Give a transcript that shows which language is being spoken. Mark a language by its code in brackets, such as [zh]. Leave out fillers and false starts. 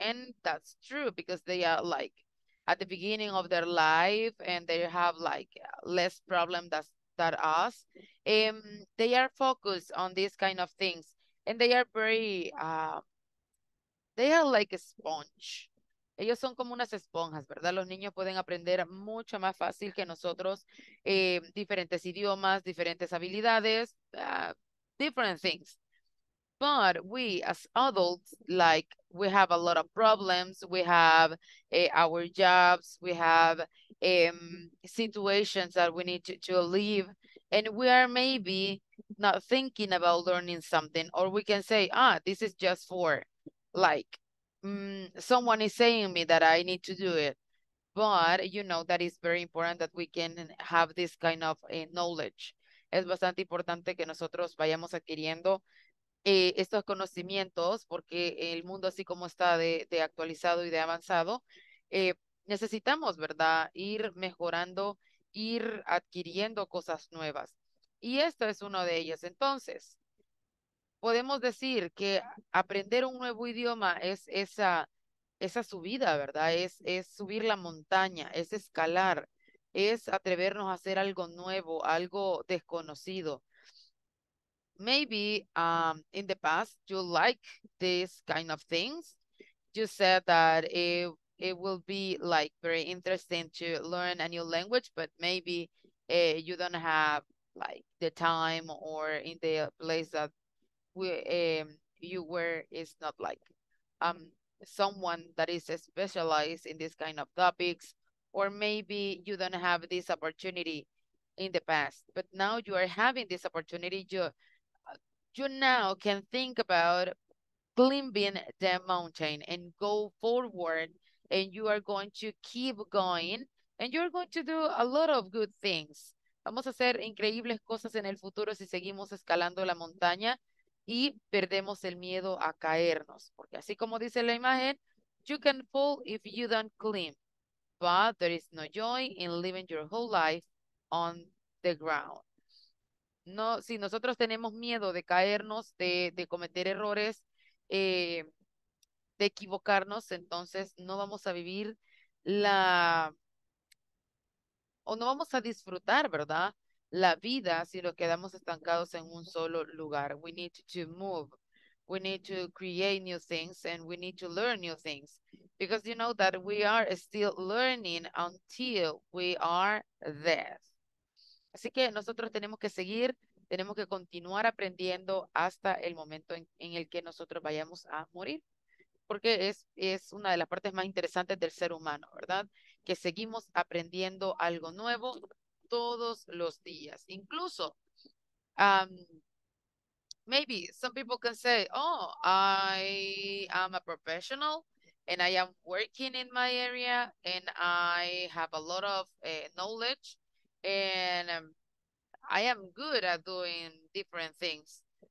[en] And that's true, because they are like at the beginning of their life and they have like less problem than us. They are focused on these kind of things, and they are very, they are like a sponge. [es] Ellos son como unas esponjas, ¿verdad? Los niños pueden aprender mucho más fácil que nosotros diferentes idiomas, diferentes habilidades, [en] different things. But we as adults, like we have a lot of problems, we have our jobs, we have situations that we need to leave, and we are maybe not thinking about learning something, or we can say, ah, this is just for like someone is saying me that I need to do it. But you know that it's very important that we can have this kind of knowledge. [es] Es bastante importante que nosotros vayamos adquiriendo estos conocimientos, porque el mundo así como está de actualizado y de avanzado, necesitamos, ¿verdad?, ir mejorando, ir adquiriendo cosas nuevas. Y esto es uno de ellos. Entonces, podemos decir que aprender un nuevo idioma es esa subida, ¿verdad? Es subir la montaña, es escalar, es atrevernos a hacer algo nuevo, algo desconocido. [en] Maybe in the past you like this kind of things. You said that it will be like very interesting to learn a new language, but maybe you don't have like the time, or in the place that you were is not like someone that is specialized in this kind of topics, or maybe you don't have this opportunity in the past, but now you are having this opportunity, you now can think about climbing the mountain and go forward, and you are going to keep going, and you're going to do a lot of good things. [es] Vamos a hacer increíbles cosas en el futuro si seguimos escalando la montaña y perdemos el miedo a caernos. Porque así como dice la imagen, [en] you can fall if you don't climb, but there is no joy in living your whole life on the ground. [es] No, si nosotros tenemos miedo de caernos, de cometer errores, de equivocarnos, entonces no vamos a vivir la... o no vamos a disfrutar, ¿verdad? La vida si nos quedamos estancados en un solo lugar. [en] We need to move. We need to create new things and we need to learn new things. Because you know that we are still learning until we are there. [es] Así que nosotros tenemos que seguir, tenemos que continuar aprendiendo hasta el momento en el que nosotros vayamos a morir. Porque es una de las partes más interesantes del ser humano, ¿verdad? Que seguimos aprendiendo algo nuevo todos los días. [en] Incluso, maybe some people can say, oh, I am a professional and I am working in my area and I have a lot of knowledge and I am good at doing different things.